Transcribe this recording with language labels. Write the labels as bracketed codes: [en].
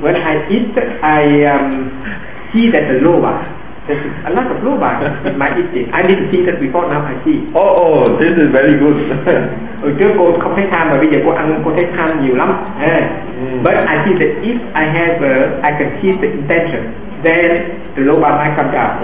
[en] When I eat, I see that the loba. There's a lot of loba in my eating. I didn't see that before, now I see. Oh, this is very good. [vi] Trước cô không thấy tham mà bây giờ cô ăn cô thấy tham nhiều lắm. [en] But I see that if I have, I can see the intention, then the loba might come down.